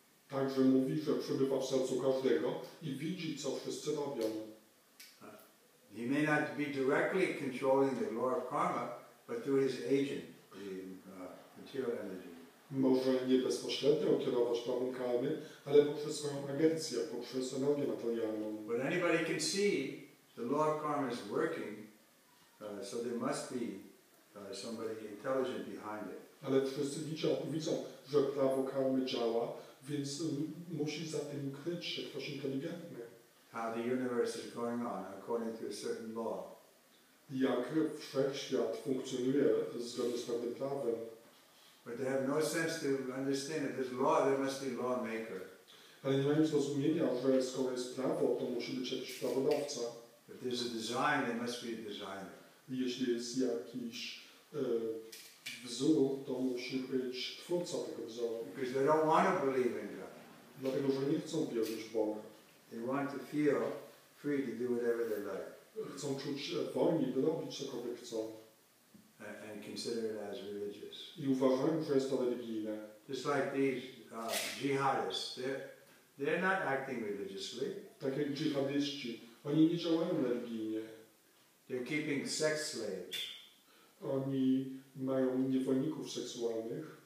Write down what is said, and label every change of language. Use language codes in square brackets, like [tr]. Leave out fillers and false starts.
[pl] Także mówi, że przebywa w sercu każdego i widzi, co wszyscy robią. [en] He may not be directly controlling the law of karma, but through his agent, the material energy. [pl] Może nie bezpośrednio kierować prawem karmy, ale poprzez swoją agencję, poprzez energię materialną. [en] But anybody can see the law of karma is working, so there must be somebody intelligent behind it. [pl] Ale wszyscy widzą, że prawo karmy działa, więc musi za tym kryć się ktoś inteligentny. [en] How the universe is going on according to a certain law. [pl] Jak wszechświat funkcjonuje zgodnie z pewnym prawem. [en] But they have no sense to understand that there's law, there must be a lawmaker. [pl] Ale nie mają zrozumienia, że skoro jest prawo, to musi być jakiś prawodawca. [en] If there's a design, there must be a designer. [pl] Jeśli jest jakiś wzór, to musi być twórca tego wzoru. [en] Because they don't want to believe in God. [pl] Dlatego, że nie chcą wierzyć w Boga. [en] They want to feel free to do whatever they like. [pl] Chcą czuć się wolni, by robić cokolwiek chcą. [en] And consider it as religious. [pl] I uważają, że jest to religijne. [en] Just like these jihadists, they're not acting religiously. [pl] Tak jak dżihadyści, oni nie działają religijnie. [en] They're keeping sex slaves. [pl] Oni mają niewolników seksualnych.